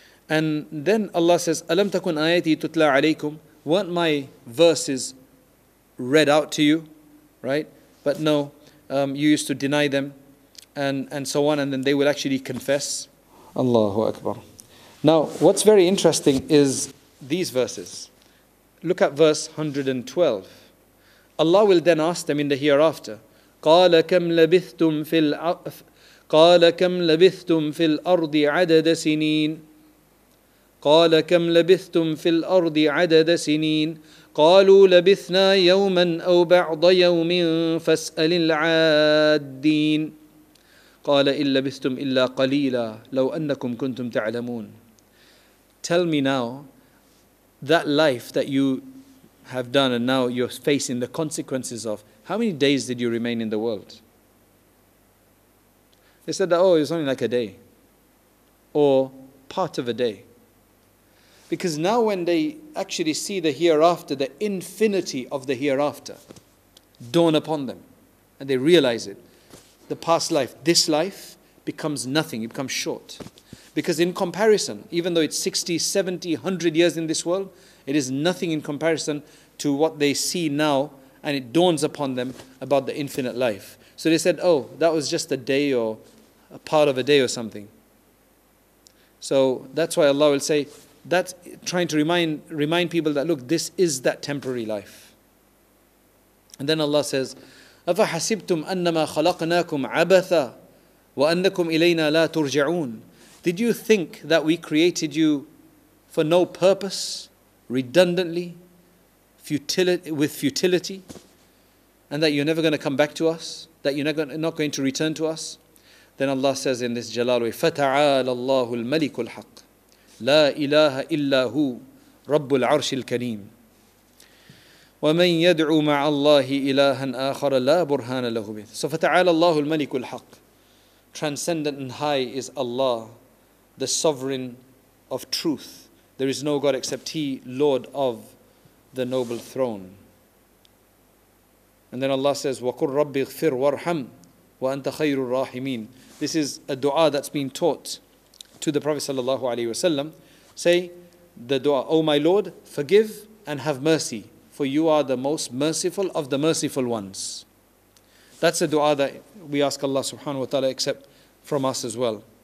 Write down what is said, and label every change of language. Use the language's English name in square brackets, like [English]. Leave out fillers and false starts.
[English] And then Allah says, [Arabic] ألم تكن آياتي تتلى عليكم, [English] weren't my verses read out to you, right? But no, you used to deny them, and so on, and then they will actually confess. Allahu Akbar. Now, what's very interesting is these verses. Look at verse 112. Allah will then ask them in the hereafter, [Arabic] قَالَ كَمْ لَبِثْتُمْ فِي الْأَرْضِ, قَالَ كَمْ لَبِثْتُمْ فِي الْأَرْضِ عَدَدَ سِنِينَ, قَالَ كَمْ لَبِثْتُمْ فِي الْأَرْضِ عَدَدَ سِنِينَ, قَالُوا لَبِثْنَا يَوْمًا أَوْ بَعْضَ يَوْمٍ فَاسْأَلِ الْعَادِّينَ, قَالَ إِنْ لَبِثْتُمْ إِلَّا قَلِيلًا لَوْ أَنَّكُمْ كُنْتُمْ تَعْلَمُونَ. [English] Tell me now, that life that you have done and now you're facing the consequences of, how many days did you remain in the world? They said that, oh, it was only like a day or part of a day. Because now when they actually see the hereafter, the infinity of the hereafter dawn upon them and they realize it, the past life, this life becomes nothing, it becomes short. Because in comparison, even though it's 60, 70, 100 years in this world, it is nothing in comparison to what they see now, and it dawns upon them about the infinite life. So they said, oh, that was just a day or a part of a day or something. So that's why Allah will say, that's trying to remind people that, look, this is that temporary life. And then Allah says, [Arabic] أَفَحَسِبْتُمْ أَنَّمَا خَلَقْنَاكُمْ عَبَثًا وَأَنَّكُمْ إِلَيْنَا لَا تُرْجَعُونَ. [English] Did you think that we created you for no purpose, redundantly, with futility, and that you're never going to come back to us, that you're not going to return to us? Then Allah says in this Jalal way, [Arabic] فَتَعَالَ اللَّهُ الْمَلِكُ الْحَقِّ لَا إِلَهَ إِلَّا هُوَ رَبُّ الْعَرْشِ الْكَرِيمِ وَمَنْ يَدْعُو مَعَ اللَّهِ إِلَهًا آخَرَ لَا بُرْهَانَ لَهُ بِهِ. [English] So [Arabic] فَتَعَالَ اللَّهُ الْمَلِكُ الْحَقِّ, [English] transcendent and high is Allah, the sovereign of truth. There is no God except He, Lord of the noble throne. And then Allah says, [Arabic] وَقُلْ رَبِّ اغْفِرْ وَارْحَمْ وَأَنْتَ خَيْرُ الرَّاحِمِينَ. [English] This is a dua that's been taught to the Prophet sallallahu alaihi wasallam. Say the dua, O my Lord, forgive and have mercy, for you are the most merciful of the merciful ones. That's a dua that we ask Allah subhanahu wa ta'ala accept from us as well.